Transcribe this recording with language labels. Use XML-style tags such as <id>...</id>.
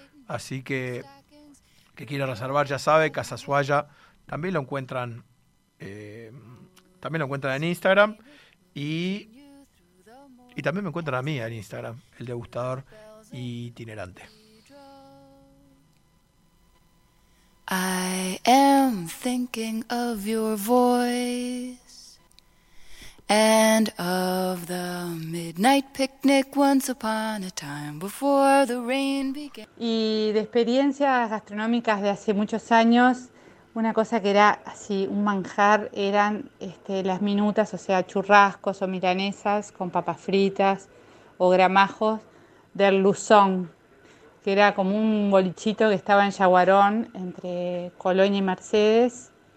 <es>Así que que quiera reservar, ya sabe, Casa Suaya, también lo encuentran en Instagram, y también me encuentran a mí en Instagram, el degustador itinerante.</es> <en>I am thinking of your voice and of the midnight picnic once upon a time before the rain began.</en> <es>Y de experiencias gastronómicas de hace muchos años, una cosa que era así un manjar eran las minutas, o sea, churrascos o milanesas con papas fritas o gramajos del Luzón, que era como un bolichito que estaba en Yaguarón entre Colonia y Mercedes.</es>